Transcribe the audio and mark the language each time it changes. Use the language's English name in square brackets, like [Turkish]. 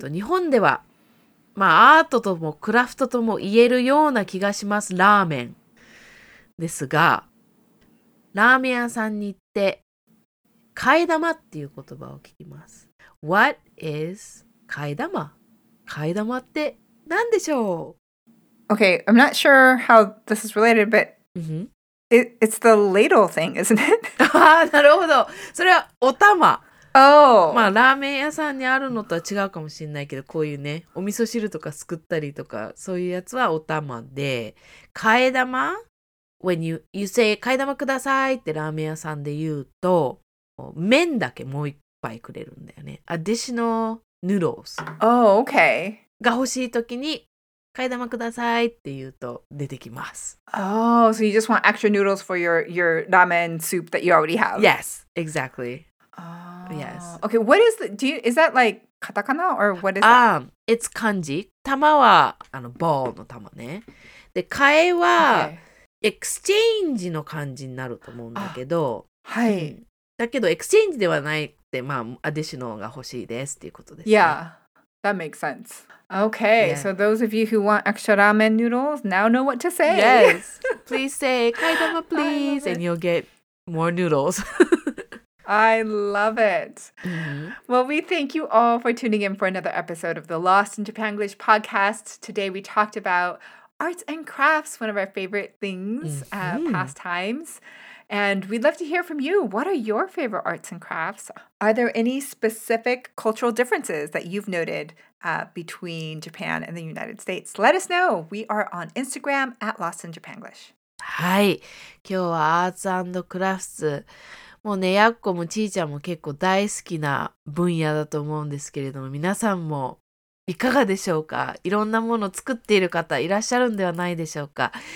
[Japanese] 日本では、まあ、アートともクラフトとも言えるような気がします。ラーメン。ですが、ラーメン屋さんに行って、替え玉っていう言葉を聞きます。 [English] What is 替え玉? [Japanese] 替え玉って何でしょう? [English] Okay, I'm not sure how this is related, but、mm-hmm. it's the ladle thing, isn't it? [Japanese] Ah, なるほど。それはお玉。 [English] Oh. [Japanese] まあラーメン屋さんにあるのとは違うかもしれないけど、こういうね、お味噌汁とかすくったりとか、そういうやつはお玉で、替え玉 [English] When you say [Japanese] 替え玉くださいってラーメン屋さんで言うと、麺だけもう一杯くれるんだよね。 [English] Additional noodles. Oh, okay. [Japanese] が欲しいときに、替え玉くださいって言うと出てきます。 [English] Oh, so you just want extra noodles for your ramen soup that you already have. Yes, exactly. Yes. Okay, what is the, is that like katakana or what is that? It's kanji. [Japanese] 玉は、 [English] ball [Japanese] の玉ね。で、替えは、exchange の感じになると思うんだけど、はい。だけど、exchange ではないって、まあ、additional が欲しいですっていうことです [English] ね。Yeah. That makes sense. Okay, yeah. So those of you who want extra ramen noodles, now know what to say. Yes, please say, Kaidama, please, and you'll get more noodles. I love it. Mm-hmm. Well, we thank you all for tuning in for another episode of the Lost in Japanglish podcast. Today we talked about arts and crafts, one of our favorite things, mm-hmm. Pastimes. And we'd love to hear from you. What are your favorite arts and crafts? Are there any specific cultural differences that you've noted between Japan and the United States? Let us know. We are on Instagram at Lost in Japanglish. [Japanese] はい。今日はアーツ&クラフツ。もうね、やっこもちーちゃんも結構大好きな分野だと思うんですけれども、皆さんもいかがでしょうか。いろんなものを作っている方いらっしゃるんではないでしょうか。